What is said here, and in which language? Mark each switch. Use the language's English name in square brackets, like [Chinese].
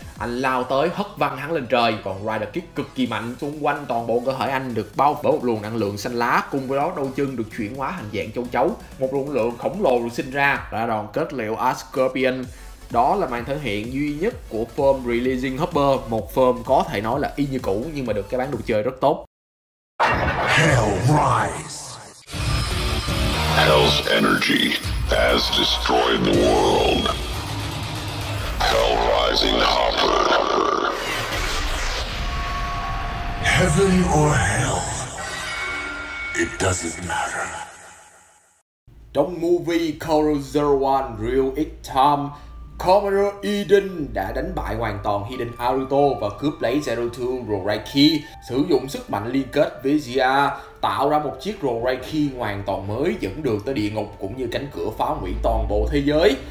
[Vietnamese] Anh lao tới hất văng hắn lên trời, còn Rider Kick cực kỳ mạnh, xung quanh toàn bộ cơ thể anh được bao bởi một luồng năng lượng xanh lá, cùng với đó đôi chân được chuyển hóa thành dạng châu chấu, một luồng lượng khổng lồ được sinh ra, đã đòn kết liễu Earth Scorpion. đó là màn thể hiện duy nhất của form Releasing Hopper, một form có thể nói là y như cũ nhưng mà được cái bán đồ chơi rất tốt. [English] Hell Rise. Hell's energy has destroyed the world. Hell Rising Hopper. Heaven or hell, it doesn't matter. [Vietnamese] Trong movie Coral 01 Real It Time, Commodore Eden đã đánh bại hoàn toàn Hidden Aruto và cướp lấy 02 Roraiki, sử dụng sức mạnh liên kết với Zia, tạo ra một chiếc Roraiki hoàn toàn mới dẫn đường tới địa ngục cũng như cánh cửa phá hủy toàn bộ thế giới.